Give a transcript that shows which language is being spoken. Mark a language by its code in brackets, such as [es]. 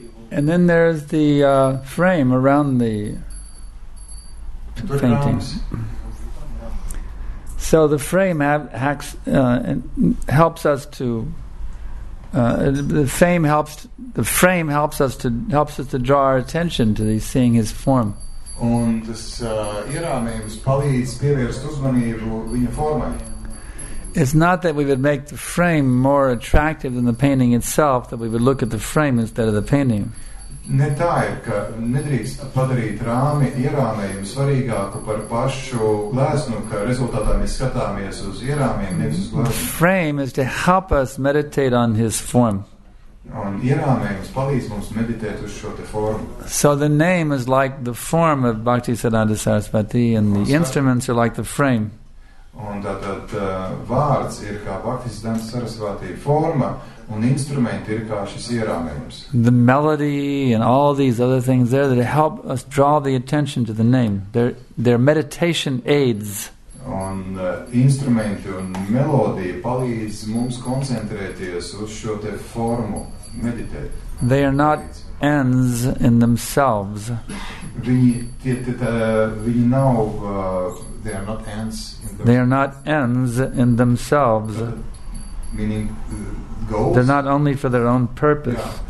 [en] And then there's the frame around the paintings. So the frame helps us to the frame helps us to draw our attention to the seeing his form. [lv] Un tas ierāmējums palīdz pievērst uzmanību viņa formai. [en] It's not that we would make the frame more attractive than the painting itself, that we would look at the frame instead of the painting. [lv] Ne tā ir, ka nedrīkst padarīt rāmi ierāmējumu svarīgāku par pašu glēsnu, ka rezultātā mēs skatāmies uz ierāmējumu, nevis uz glēsnu. [en] The frame is to help us meditate on his form. [lv] Un ierāmējums palīdz mums meditēt uz šo te formu. [en] So the name is like the form of Bhakti Siddhanta Sarasvati, and the instruments are like the frame. [lv] Un tātad vārds ir kā Bhakti Siddhanta Sarasvati forma, un instrumenti ir kā šis ierāmējums. [en] The melody and all these other things there that help us draw the attention to the name. Their meditation aids. [lv] Un instrumenti un melodija palīdz mums koncentrēties uz šo te formu, meditēt. [en] They are not ends in themselves. They are not ends. They are not ends in themselves. Meaning goals. They're not only for their own purpose.